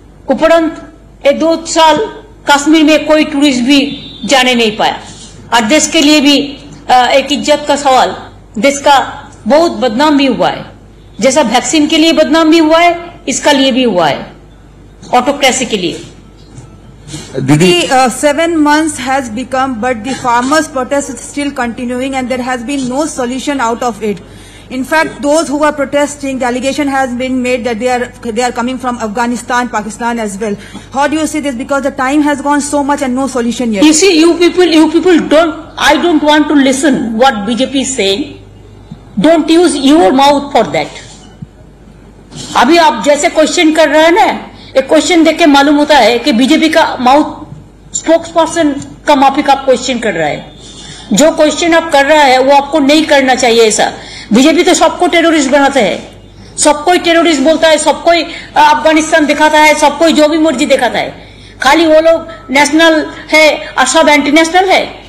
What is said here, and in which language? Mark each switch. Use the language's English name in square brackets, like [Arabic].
[Hindi] उपरांत ये दो साल कश्मीर में कोई टूरिस्ट भी जाने नहीं पाया, और देश के लिए भी एक इज्जत का सवाल, देश का बहुत बदनाम भी हुआ है, जैसा वैक्सीन के लिए बदनाम भी हुआ है इसका लिए भी हुआ है ऑटोक्रेसी के लिए। [English] दीदी, 7 months has become but the farmers protest is still continuing and there has been no solution out of it. In fact, those who are protesting, the allegation has been made that they are coming from Afghanistan, Pakistan as well. How do you see this? Because the time has gone so much and no solution yet. You see, you people don't, I don't want to listen what BJP is saying. Don't use your mouth for that. [Hindi] अभी आप जैसे question कर रहे हैं ना, एक question देख के मालूम होता है कि बीजेपी का माउथ स्पोक्सपर्सन का माफिक आप क्वेश्चन कर रहा है। जो क्वेश्चन आप कर रहा है वो आपको नहीं करना चाहिए ऐसा। बीजेपी तो सबको टेररिस्ट बनाते हैं, सबको टेररिस्ट बोलता है, सबको अफगानिस्तान दिखाता है, सबको जो भी मर्जी दिखाता है, खाली वो लोग नेशनल है और सब एंटी नेशनल है।